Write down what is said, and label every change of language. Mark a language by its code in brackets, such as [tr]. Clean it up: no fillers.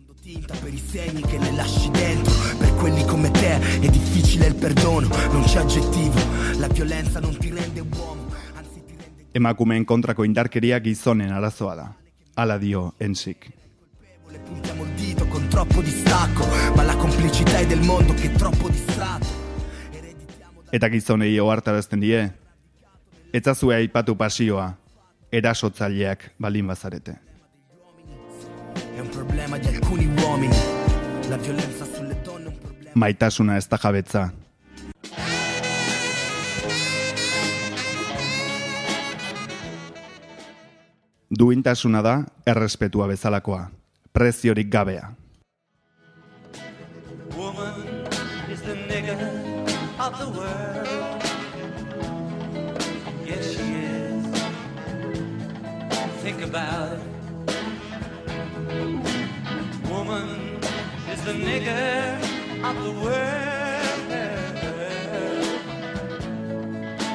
[it] distinta per i segni che ne lasci dentro. Per quelli come te è difficile il perdono, non c'è aggettivo, la violenza non ti rende uomo, anzi ti rende... [eu] Emakumeen kontrako indarkeria gizonen arazoa da. Hala dio Ensik. [it] Puntiamo il dito con troppo distacco, ma la complicità è del mondo che è troppo distratto. [eu] Eta gizonei ohartarazten die, etzazue aipatu pasioa, erasotzaileak baldin bazarete. [it] È un problema di alcuni uomini, la violenza sulle donne è un problema. [eu] Maitasuna ez da jabetza. Duintasuna da errespetua bezalakoa, preziorik gabea. [en] Woman is the nigger of the world. Yes, she is. Think about it. Woman is the nigger of the world.